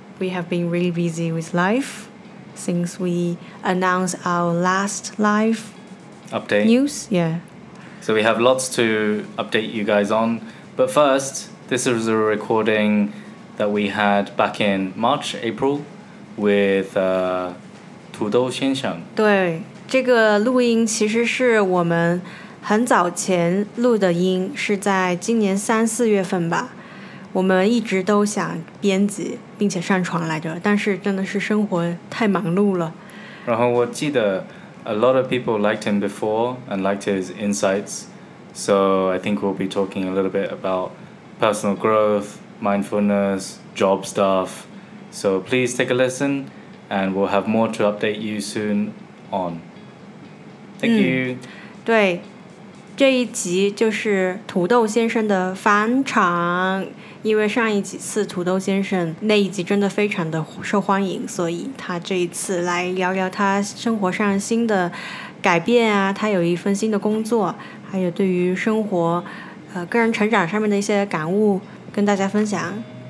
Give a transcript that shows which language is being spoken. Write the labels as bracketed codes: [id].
[en] We have been really busy with life since we announced our last live update news. Yeah. So we have lots to update you guys on. But first, this is a recording that we had back in March, April with 土豆先生。 [zh] 对，这个录音其实是我们很早前录的音，是在今年三四月份吧，我们一直都想编辑并且上传来着，但是真的是生活太忙碌了。然后我记得 [en] a lot of people liked him before and liked his insights, so I think we'll be talking a little bit about personal growth, mindfulness, job stuff, so please take a listen and we'll have more to update you soon on. Thank you. [zh] 对，这一集就是土豆先生的返场，因为上一几次土豆先生那一集真的非常的受欢迎，所以他这一次来聊聊他生活上新的改变啊，他有一份新的工作，还有对于生活个人成长上面的一些感悟跟大家分享。